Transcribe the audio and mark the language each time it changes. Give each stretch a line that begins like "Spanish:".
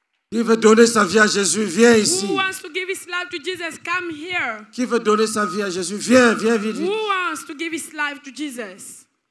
French: Qui veut donner sa vie à Jésus, viens ici.
English: Who wants to give his life to Jesus, come here.
French: Qui veut donner sa vie à Jésus, viens, viens vite.
English: Who wants to give his life to Jesus?